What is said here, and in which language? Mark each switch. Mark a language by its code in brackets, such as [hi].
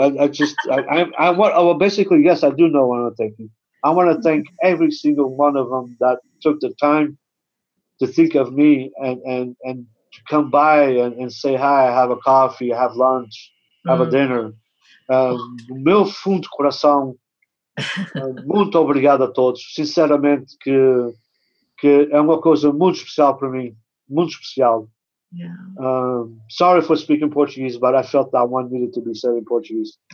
[en] I do know what I'm thinking. I want to thank every single one of them that took the time to think of me and to come by and say, hi, have a coffee, have lunch, have a dinner. [pt] Meu fundo coração, muito obrigado a todos. Sinceramente, que é uma coisa muito especial para mim, muito especial. [en] Yeah. Sorry for speaking Portuguese, but I felt that one needed to be said in Portuguese.